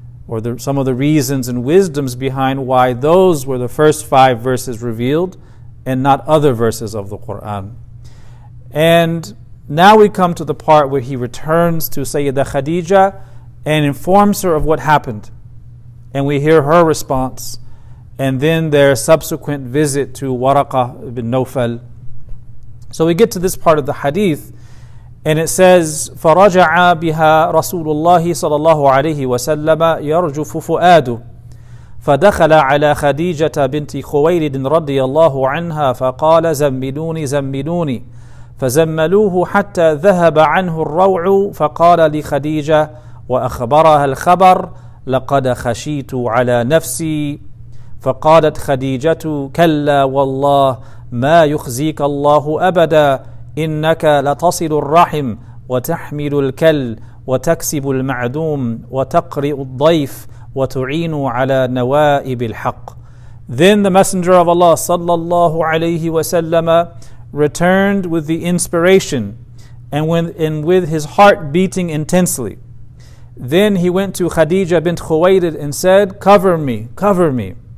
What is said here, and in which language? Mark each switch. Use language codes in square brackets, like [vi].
[en] or some of the reasons and wisdoms behind why those were the first five verses revealed and not other verses of the Quran. And now we come to the part where he returns to Sayyida Khadija and informs her of what happened. And we hear her response and then their subsequent visit to Waraqa ibn Nawfal. So we get to this part of the hadith, and it says, [ar] فَرَجَعَ بِهَا رَسُولُ اللَّهِ صَلَى اللَّهُ عَلَيْهِ وَسَلَّمَ يَرْجُفُ فُؤَادُهُ فَدَخَلَ عَلَى خَدِيجَةَ بِنْتِ خُوَيْلِدٍ رَضِيَ اللَّهُ عَنْهَا فَقَالَ زَمِّلُونِي زَمِّلُونِي فَزَمَّلُوهُ حَتَّى ذَهَبَ عَنْهُ الرَّوْعُ فَقَالَ لِخَدِيجَةَ وَأَخْبَرَهَا الْخَبَرَ لَقَدْ خَشِيتُ عَلَى نَفْسِي فَقَالَتْ خَدِيجَةُ كَلَّا وَاللَّهِ مَا يُخْزِيكَ اللَّهُ أَبَدًا إِنَّكَ لَتَصِلُ الرَّحِمُ وَتَحْمِلُ الْكَلُّ وَتَكْسِبُ الْمَعْدُومُ وَتَقْرِئُ الضَّيْفُ وَتُعِينُ عَلَى نَوَائِبِ الْحَقِّ. [en] Then the Messenger of Allah sallallahu alayhi wa sallam returned with the inspiration and with his heart beating intensely. Then he went to Khadija bint Khuwaylid and said, cover me, cover me.